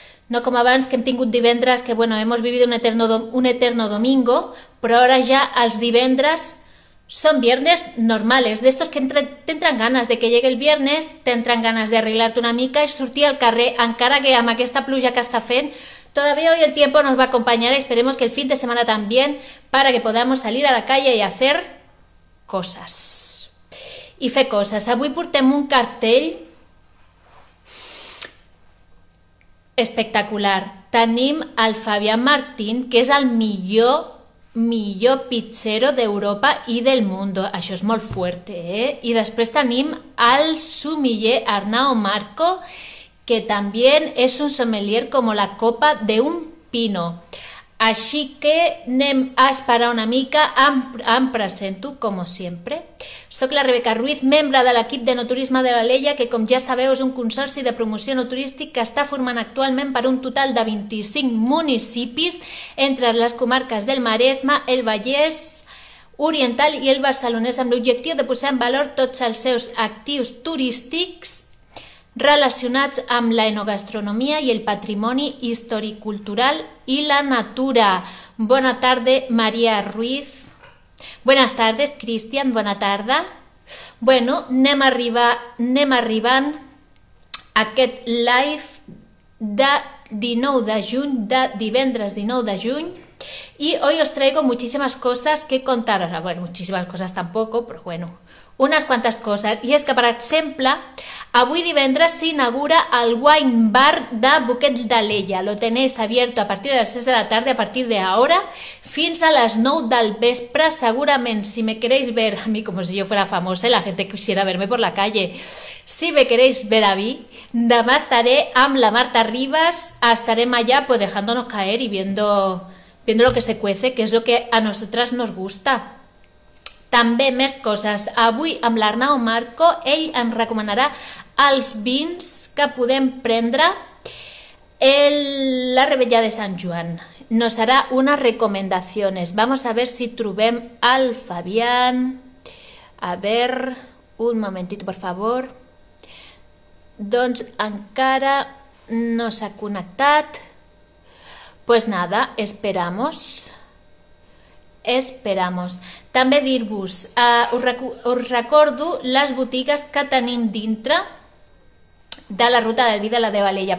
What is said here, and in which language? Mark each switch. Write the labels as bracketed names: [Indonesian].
[Catalan] No com abans, que hem tingut divendres, [Spanish] que bueno, hemos vivido un eterno domingo, [Catalan] però ara ja els divendres són [Spanish] viernes normales, de estos que [Catalan] t'entren ganes de que llegue el viernes, t'entren ganes d'arreglar-te una mica i sortir al carrer, encara que amb aquesta pluja que està fent, [Spanish] todavía hoy el tiempo nos va a acompañar y esperemos que el fin de semana también para que podamos salir a la calle y hacer cosas. Y fer cosas. [Catalan] Avui portem un cartell espectacular. Tenim el Fabián Martín, que és el millor pitxero d'Europa i del món. Això és molt fort, eh? I després tenim el sumiller [Spanish] Arnau Marco, que también es un sommelier como la copa de un pino. Así que [Catalan] anem a esperar una mica, em presento [Spanish] como siempre. [Catalan] Soc la Rebeca Ruiz, membre de l'equip de Noturisme de l'Alella, que com ja sabeu és un consorci de promoció noturístic que està formant actualment per un total de 25 municipis entre les comarques del Maresme, el Vallès Oriental i el Barcelonès, amb l'objectiu de posar en valor tots els seus actius turístics relacionats amb la enogastronomia i el patrimoni historicultural i la natura. Bona tarda, Maria Ruiz. [Spanish] Buenas tardes, [Catalan] Cristian, bona tarda. Bueno, anem arribant a aquest live de 19 de juny, de divendres 19 de juny. [Spanish] Y hoy os traigo muchísimas cosas que contar. Bueno, muchísimas cosas tampoco, pero bueno, unas cuantas cosas. Y es que, [Catalan] per exemple, avui divendres s'inaugura el Wine Bar de Boquet d'Alella. [Spanish] Lo tenéis abierto a partir de [Catalan] les 6 de la tarda, [Spanish] a partir de ahora, [Catalan] fins a les 9 del vespre. [Spanish] Segurament, si me queréis ver a mí, como si yo fuera famosa y la gente quisiera verme por la calle, si me queréis ver a mí, [Catalan] demà estaré amb la Marta Ribas, estarem allà [Spanish] pues dejándonos caer y viendo lo que se cuece, que es lo que a nosotras nos gusta. [Catalan] També més coses. Avui amb l'Arnau Marco, ell ens recomanarà els vins que podem prendre la Revetlla de Sant Joan. Nos farà unes recomendacions. [Spanish] Vamos a ver [Catalan] si trobem [Spanish] el Fabián. A ver, un momentit, por favor. [Catalan] Doncs encara no s'ha connectat. [Spanish] Pues nada, esperamos. Esperamos. [Catalan] També dir-vos, us recordo les botigues que tenim dintre de la ruta del vi de la de Valella.